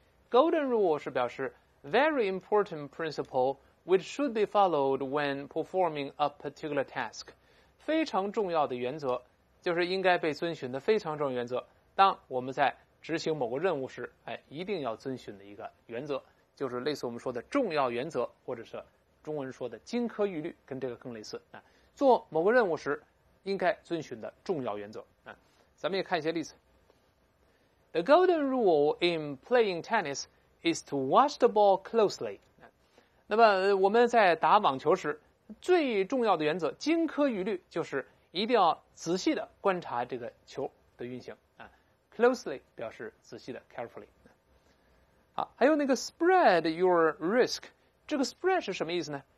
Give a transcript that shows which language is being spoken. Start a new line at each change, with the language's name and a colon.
Chinese: Golden rule 是表示
English: very important principle which should be followed when performing a particular task，
Chinese: 非常重要的原则，就是应该被遵循的非常重要原则，当我们在执行某个任务时，一定要遵循的一个原则，就是类似我们说的重要原则，或者是中文说的金科玉律，跟这个更类似。做某个任务时应该遵循的重要原则。咱们也看一些例子。
English: The golden rule in playing tennis is to watch the ball closely。
Chinese: 那么我们在打网球时最重要的原则，金科玉律，就是一定要仔细的观察这个球的运行。 Closely 表示仔细的， carefully。好，还有那个
English: spread your risk，
Chinese: 这个 spread 是什么意思呢？